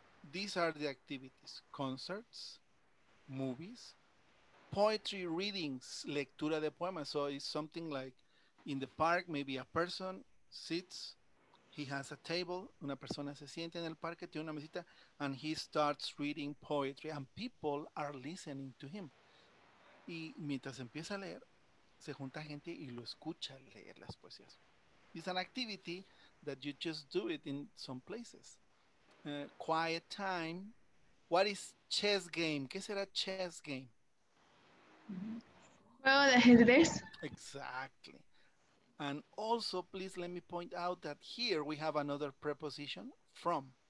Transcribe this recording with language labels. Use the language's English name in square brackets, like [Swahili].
[English] These are the activities. Concerts, movies, poetry readings, [Spanish] lectura de poemas. [English] So it's something like in the park, maybe a person sits, he has a table, [Spanish] una persona se siente en el parque, tiene una mesita, [English] and he starts reading poetry, and people are listening to him. [Spanish] Y mientras empieza a leer, se junta gente y lo escucha leer las poesías. [English] It's an activity that you just do it in some places. Quiet time. What is chess game? [Spanish] ¿Qué será chess game? Juego de ajedrez. [English] Exactly. And also, please let me point out that here we have another preposition, from.